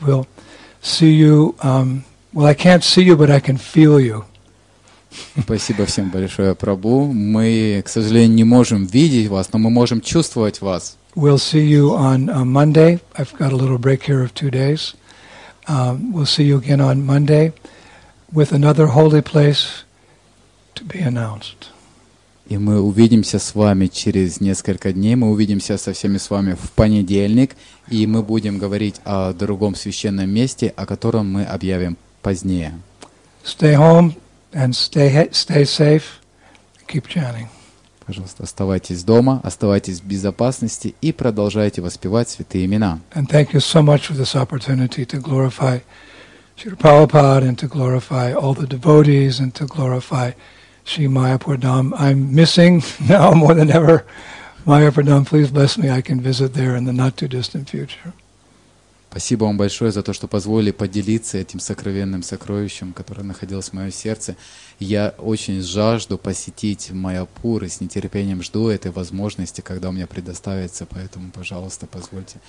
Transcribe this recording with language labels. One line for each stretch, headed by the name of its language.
English: We'll see you. Well, I can't see you, but I can feel you.
Russian: Спасибо всем большое, Прабу. Мы, к сожалению, не можем видеть вас, но мы можем чувствовать вас.
English: We'll see you on Monday. I've got a little break here of 2 days. We'll see you again on Monday with another holy place to be announced.
Russian: И мы увидимся с вами через несколько дней. Мы увидимся со всеми с вами в понедельник, и мы будем говорить о другом священном месте, о котором мы объявим позднее.
English: Stay home and stay safe. Keep chanting.
Russian: Пожалуйста, оставайтесь дома, оставайтесь в безопасности и продолжайте воспевать святые имена.
English: And thank you so much for this opportunity to glorify Srila Prabhupada and to glorify all the devotees and to glorify Shri Mayapur Dham. I'm missing now more than ever Mayapur Dham. Please bless me. I can visit there in the not too distant future.
Russian: Спасибо вам большое за то, что позволили поделиться этим сокровенным сокровищем, которое находилось в моем сердце. Я очень жажду посетить Майяпур и с нетерпением жду этой возможности, когда у меня предоставится. Поэтому, пожалуйста, позвольте.